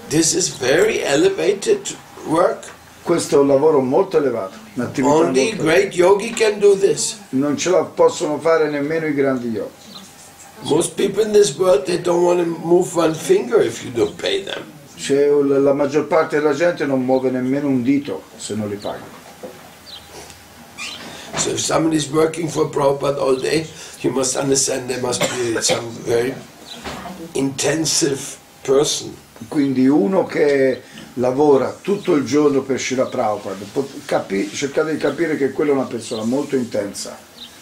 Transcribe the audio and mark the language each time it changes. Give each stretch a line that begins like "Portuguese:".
English: This is very elevated work.
Italian: Questo è un lavoro molto elevato.
English: Only great yogi can do this.
Italian: Non ce la possono fare nemmeno i grandi yogi.
English: Most people in this world they don't want to move one finger if you don't pay them.
Italian: Cioè, la maggior parte della gente non muove nemmeno un dito se non li paghi.
English: So if somebody is working for Prabhupada all day, you must understand there must be some very intensive person.
Italian: Quindi uno che lavora tutto il giorno per Srila Prabhupada, cercate di capire che quella è una persona molto intensa.